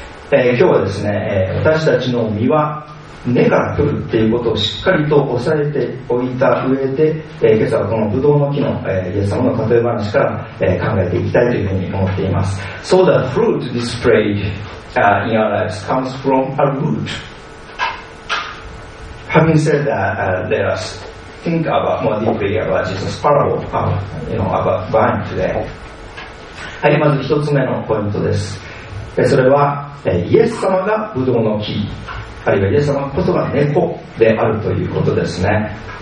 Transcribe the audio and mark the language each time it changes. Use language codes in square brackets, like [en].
[ja] 今日はですね、私たちの身は根から来るっていうことをしっかりと押さえておいた上で、今朝はこのブドウの木の、イエス様の例え話から、考えていきたいというふうに思っています。 [en] So the fruit displayed、in our lives comes from a root. Having said that、let us think about more deeply about Jesus' parable of, you know, about vine today. [ja] はい、まず一つ目のポイントです。それは、イエス様がブドウの木、あるいはイエス様ことが猫であるということですね。